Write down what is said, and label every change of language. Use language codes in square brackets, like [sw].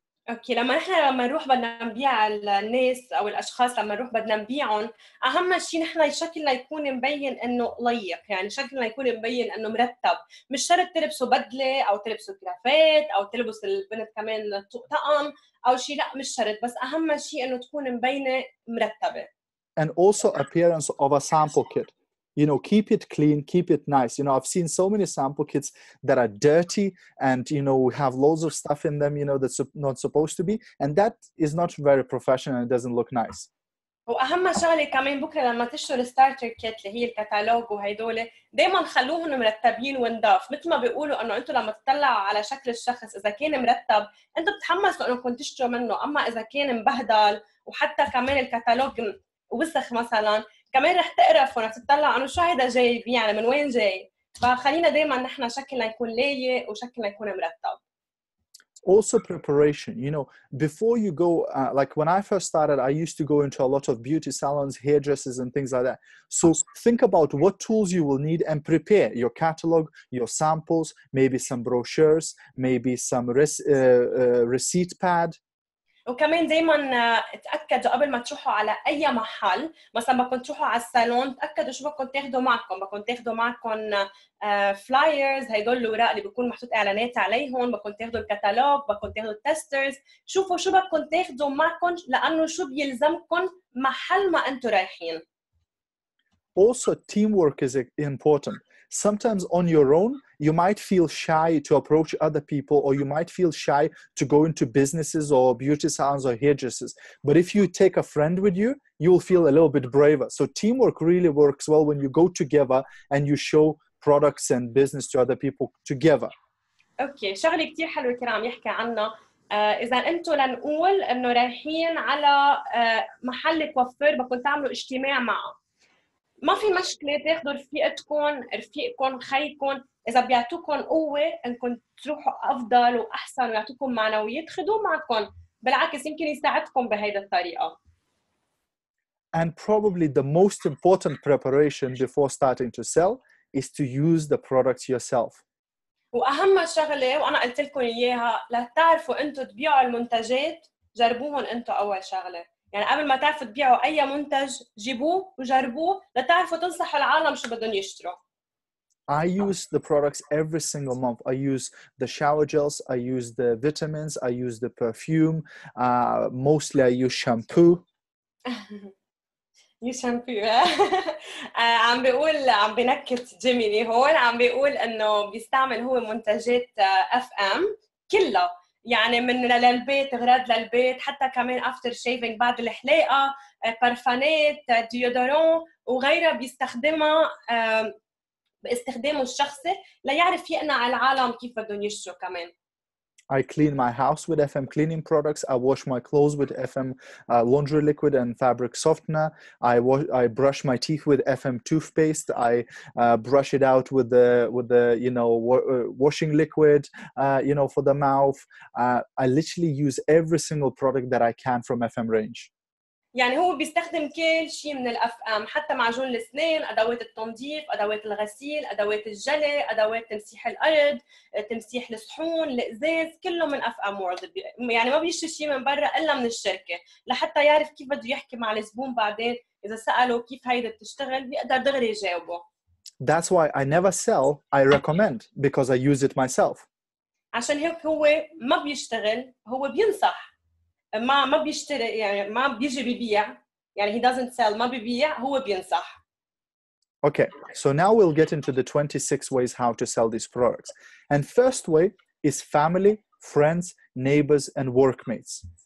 [ar] اوكي لما نحن لما نروح بدنا نبيع الناس او الاشخاص لما نروح بدنا نبيعهم اهم شيء نحن شكلنا يكون مبين انه ليق يعني شكلنا يكون مبين انه مرتب مش شرط تلبسوا بدله او تلبسوا كرافات او تلبس البنت كمان طقم او شيء لا مش شرط بس اهم شيء انه تكون مبينه مرتبه [en] and also appearance of a sample kit you know keep it clean keep it nice you know I've seen so many sample kits that are dirty and you know we have loads of stuff in them you know that's not supposed to be and that is not very professional and it doesn't look nice [ar] واهم شغله كمان بكره لما تشتروا الستارتر كيت اللي هي الكتالوج وهيدول دائما خلوهم مرتبين ونضاف مثل ما بيقولوا انه انتم لما تطلعوا على شكل الشخص اذا كان مرتب انتم بتحمسوا انه كنت تشتروا منه اما اذا كان مبهدل وحتى كمان الكتالوج وسخ مثلا كمان رح تقرف ورح تطلع انه شو هيدا جاي يعني من وين جاي فخلينا دائما نحن شكلنا يكون لايق وشكلنا يكون مرتب [en] Also preparation, you know, before you go, like when I first started, I used to go into a lot of beauty salons, hairdressers and things like that. So think about what tools you will need and prepare your catalog, your samples, maybe some brochures, maybe some receipt pad. [ar] وكمان دايما تأكدوا قبل ما تروحوا على أي محل مثلا بكون تروحوا على الصالون تأكدوا شو بكون تاخدوا معكم بكون تاخدوا معكم فلايرز هيدول الوراق اللي بكون محطوط إعلانات عليهم بكون تاخدوا الكتالوج بكون تاخدوا التسترز شوفوا شو بكون تاخدوا معكم لأنه شو بيلزمكم محل ما أنتوا رايحين [en] Also teamwork is important Sometimes on your own, you might feel shy to approach other people or you might feel shy to go into businesses or beauty salons or hairdressers. But if you take a friend with you, you will feel a little bit braver. So teamwork really works well when you go together and you show products and business to other people together. [ar] Okay, شغلة كتير حلوة كرام يحكي عنها. إذا أنتوا لنقول أنه رايحين على محل كوافير بكون تعملوا اجتماع معه. ما في مشكلة تاخدوا رفيقكم خيكم إذا بيعطوكم قوة إنكم تروحوا أفضل وأحسن ويعطوكم معنويات خدوه معكم بالعكس يمكن يساعدكم بهيدا الطريقة [en] And probably the most important preparation before starting to sell is to use the products yourself [ar] وأهم شغلة وأنا قلت لكم إياها لتعرفوا أنتوا تبيعوا المنتجات جربوهم أنتوا أول شغلة يعني قبل ما تعرفوا تبيعوا أي منتج جيبوه وجربوه لتعرفوا تنصحوا العالم شو بدهم يشتروا [en] I use the products every single month. I use the shower gels, I use the vitamins, I use the perfume. Mostly I use shampoo. You shampoo, eh? [ar] عم بيقول عم بنكت جيميني هون عم بيقول انه بيستعمل هو منتجات FM كلها يعني من للبيت غراض للبيت حتى كمان [en] after shaving [ar] بعد الحلاقة برفانات ديودورون وغيرها بيستخدمها باستخدامه الشخصي ليعرف يقنع العالم كيف بدهم يشتروا كمان [en] I clean my house with FM cleaning products. I wash my clothes with FM laundry liquid and fabric softener. I brush my teeth with FM toothpaste. I brush it out with the you know washing liquid you know for the mouth. I literally use every single product that I can from FM range. [ar] يعني هو بيستخدم كل شيء من الأفئام، حتى معجون الأسنان، أدوات التنظيف، أدوات الغسيل، أدوات الجلي، أدوات تمسيح الأرض، تمسيح الصحون، الإزاز، كله من أفئام وورد. يعني ما بيشتري شيء من برا إلا من الشركة، لحتى يعرف كيف بده يحكي مع الزبون بعدين. إذا سأله كيف هيدا بتشتغل بيقدر دغري يجاوبه. [en] That's why I never sell, I recommend, because I use it myself. [ar] عشان هيك هو ما بيشتغل، هو بينصح. ما بيشتري، يعني ما بيجي ببيع. يعني [en] he doesn't sell، [ar] ما ببيع، هو بينصح. [en] Okay, so now we'll get into the 26 ways how to sell these products. And first way is family, friends, neighbors, and workmates.